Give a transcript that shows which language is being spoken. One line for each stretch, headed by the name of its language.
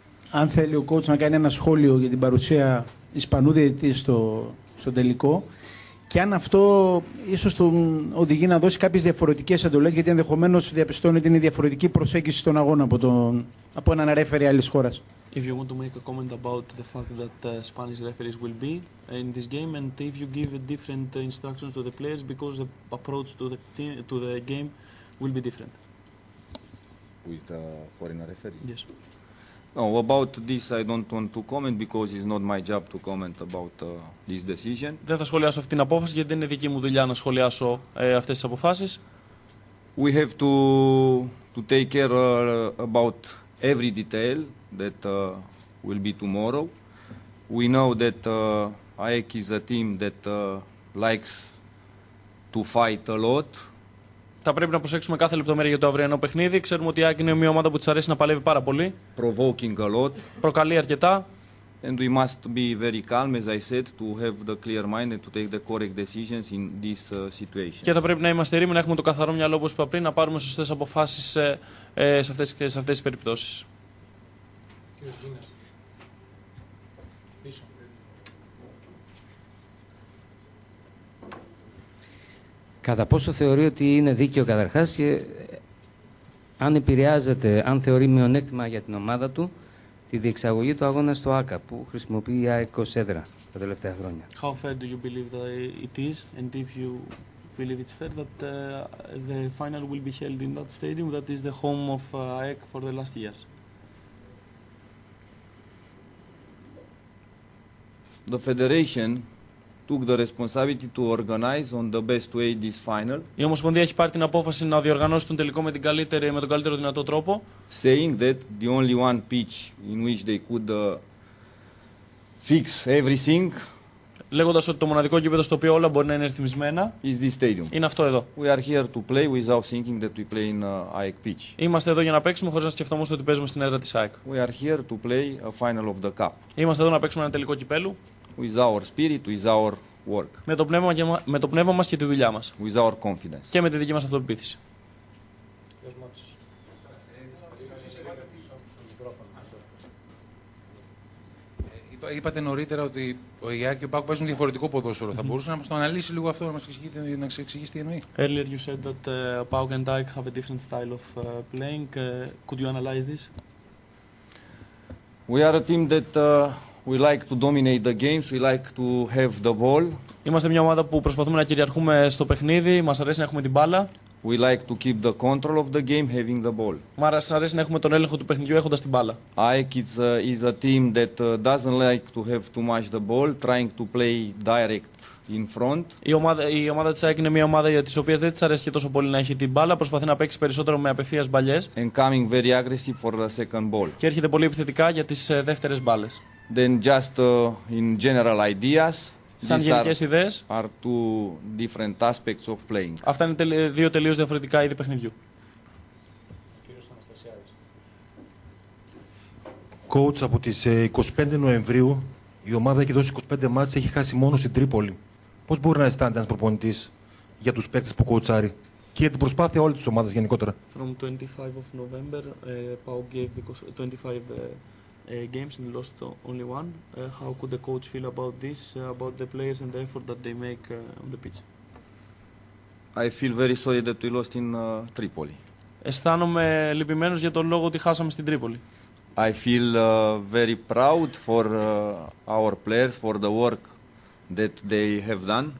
Greek: Αν θέλει ο coach να κάνει ένα σχόλιο για την παρουσία Ισπανού διαιτητή στο τελικό. Και αν αυτό ίσως τον οδηγεί να δώσει κάποιες διαφορετικές εντολές, γιατί ενδεχομένως διαπιστώνει ότι είναι διαφορετική προσέγγιση στον αγώνα από έναν ρέφερι άλλης χώρας.
English: If you want to make a comment about the fact that Spanish referees will be in this game and if you give different instructions to the players because the approach to the game will be different. With the foreign referee? Yes. No, about this I don't want to comment because it's not my job to comment about this decision.
Greek: Δεν θα σχολιάσω αυτή την απόφαση γιατί δεν είναι δική μου δουλειά να σχολιάσω αυτές τις αποφάσεις.
English: We have to take care about every detail that will be tomorrow. We know that AEK is a team that likes to fight a lot.
Greek: Θα πρέπει να προσέξουμε κάθε λεπτομέρεια για το αυριανό παιχνίδι. Ξέρουμε ότι η ΑΕΚ είναι μια ομάδα που της αρέσει να παλεύει πάρα πολύ.
English: Provoking a lot.
Greek: Προκαλεί αρκετά.
English: And we must be very calm, as I said, to have the clear mind and to take the correct decisions in this situation.
Greek: Και θα πρέπει να είμαστε ήρεμοι, να έχουμε το καθαρό μυαλό, όπως είπα πριν, να πάρουμε σωστές αποφάσεις σε αυτές τις περιπτώσεις. Κατά πόσο θεωρεί ότι είναι δίκαιο καταρχάς και αν επηρεάζεται, αν θεωρεί μειονέκτημα για την ομάδα του τη διεξαγωγή του αγώνα στο ΆΚΑ που χρησιμοποιεί η ΑΕΚ ως έδρα τα τελευταία χρόνια.
English: How fair do you believe that it is, and if you believe it's fair that the final will be held in that stadium that is the home of ΑΕΚ for the last years? The Federation took the responsibility to organize on the best way this final.
Greek: Η Ομοσπονδία έχει πάρει την απόφαση να διοργανώσει τον τελικό με, με τον καλύτερο δυνατό τρόπο.
English: Saying that the only one pitch in which they could fix everything.
Greek: Λέγοντας ότι το μοναδικό γήπεδο στο οποίο όλα μπορεί να είναι ρυθμισμένα
English: is this stadium.
Greek: Είναι αυτό εδώ.
English: We are here to play without thinking that we play in AEK pitch.
Greek: Είμαστε εδώ για να παίξουμε χωρίς να σκεφτούμε ότι παίζουμε στην έδρα της AEK.
English: We are here to play a final of the cup.
Greek: Είμαστε εδώ να παίξουμε ένα τελικό κυπέλλου.
English: With our spirit, with our work.
Greek: Με το πνεύμα μας και τη δουλειά μας.
English: With our confidence.
Greek: Και με τη δική μας αυτοπεποίθηση. Είπατε νωρίτερα ότι ο Ιάκη και ο Πάκου παίζουν διαφορετικό ποδόσφαιρο. Mm-hmm. Θα μπορούσε να μας το αναλύσει λίγο αυτό, να μας εξηγήσει τι εννοεί.
English: Earlier you said that Pauk and Ike have a different style of playing. Could you analyze this? We are a team that we like to dominate the games, we like to have the ball.
Greek: Είμαστε μια ομάδα που προσπαθούμε να κυριαρχούμε στο παιχνίδι, μας αρέσει να έχουμε την μπάλα.
English: We like to keep the control of the game, having the ball.
Greek: Μας αρέσει να έχουμε τον έλεγχο του παιχνιδιού έχοντας την μπάλα.
English: AEK is a team that doesn't like to have too much the ball, trying to play direct in front.
Greek: Η ομάδα της AEK είναι μια ομάδα για τις οποίες δεν της αρέσει και τόσο πολύ να έχει την μπάλα, προσπαθεί να παίξει περισσότερο με απευθείας μπαλιές.
English: And coming very aggressive for the second ball.
Greek: Και έρχεται πολύ επιθετικά για τις δεύτερες μπάλες.
English: Then just in general ideas.
Greek: Σαν γενικές ιδέες.
English: Are two different aspects of playing.
Greek: Αυτά είναι δύο τελείως διαφορετικά είδη παιχνιδιού. Κύριος Αναστασιάδης. Coach, από τις 25 Νοεμβρίου η ομάδα έχει δώσει 25 μάτς, έχει χάσει μόνο στην Τρίπολη. Πώς μπορεί να αισθάνεται ένας προπονητής για τους παίκτες που κοουτσάρει και για την προσπάθεια όλη της ομάδας γενικότερα?
English: From 25 of November, Pau gave 25 games and lost only one. How could the coach feel about this, about the players and the effort that they make on the pitch? I feel very sorry that we lost in Tripoli.
Greek: Αισθάνομαι λυπημένος για τον λόγο ότι χάσαμε στην Τρίπολη.
English: I feel very proud for our players, for the work that they have done.